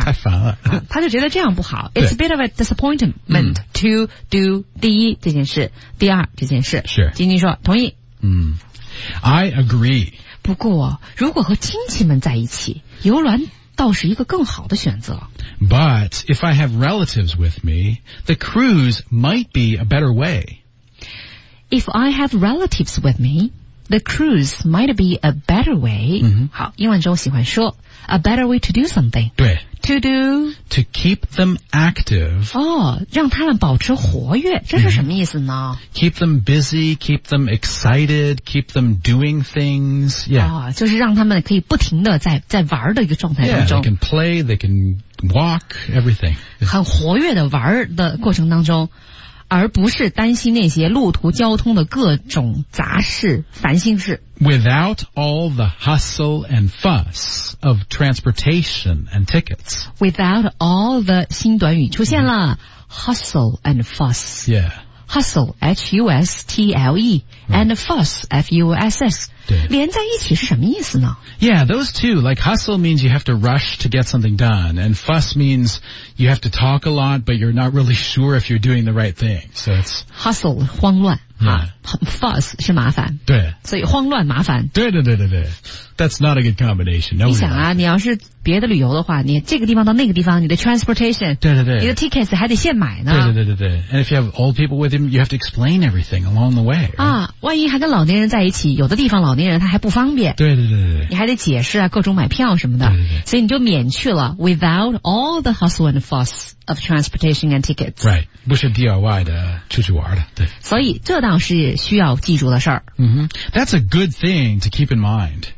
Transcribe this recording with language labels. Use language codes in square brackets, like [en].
[zh] 太烦了、啊、他就觉得这样不好 [en] It's a bit of a disappointment、嗯、 to do [zh] 第一这件事第二这件事是晶晶说同意 [en] 嗯 I agree [zh] 不过如果和亲戚们在一起游轮倒是一个更好的选择 [en] But if I have relatives with me, the cruise might be a better way. If I have relatives with me, the cruise might be a better way.、 Mm-hmm. [zh] 好英文中喜欢说 [en] a better way to do something. [zh] 对 [en] To do... To keep them active. [zh] 哦、oh, 让他们保持活跃这是什么意思呢、mm-hmm. [en] Keep them busy, keep them excited, keep them doing things. Yeah.、 [zh] Oh, 就是让他们可以不停地在玩的一个状态当中。 [en] Yeah, they can play, they can walk, everything. [zh] 很活跃的玩的过程当中而不是担心那些路途交通的各种杂事烦心事。 [en] Without all the hustle and fuss of transportation and tickets. Without all the [zh] 新短语出现了、mm-hmm. [en] hustle and fuss. Yeah. Hustle, H-U-S-T-L-E,、right. and fuss, F-U-S-S. [zh] 对。连在一起是什么意思呢? [en] Yeah, those two, like hustle means you have to rush to get something done, and fuss means you have to talk a lot, but you're not really sure if you're doing the right thing. So it's... Hustle, [zh] 慌乱。 [en] Yeah. [zh] Fuss 是麻烦对所以慌乱麻烦 [en] 对对对对对 That's not a good combination、 no、 [zh] 你想啊你要是别的旅游的话你这个地方到那个地方你的 transportation 对对对你的 tickets 还得现买呢对对对对 [en] And if you have old people with him you have to explain everything along the way、right? [zh] 啊，万一还跟老年人在一起有的地方老年人他还不方便对对对对你还得解释啊各种买票什么的对对对所以你就免去了 [en] without all the hustle and fuss of transportation and tickets [zh] right 不是 DIY 的出去玩的对所以这倒是需要记住的事儿。 Mm-hmm. [en] That's a good thing to keep in mind.